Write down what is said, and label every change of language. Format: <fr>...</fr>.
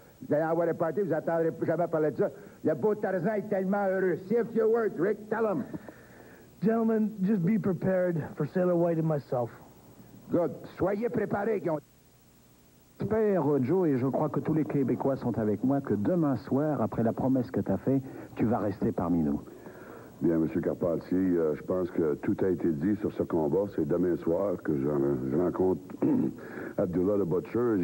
<fr>Vous allez avoir un party, vous n'entendrez plus jamais parler de ça. Le beau Tarzan est tellement heureux.</fr> <en>Say a few words, Rick, tell him. Gentlemen, just be prepared for Sailor White and myself. Good.</en> <fr>Soyez préparés. J'espère, Joe, et je crois que tous les Québécois sont avec moi, que demain soir, après la promesse que tu as faite, tu vas rester parmi nous. Bien, M. Carpentier, je pense que tout a été dit sur ce combat. C'est demain soir que je rencontre Abdullah le Butcher.</fr>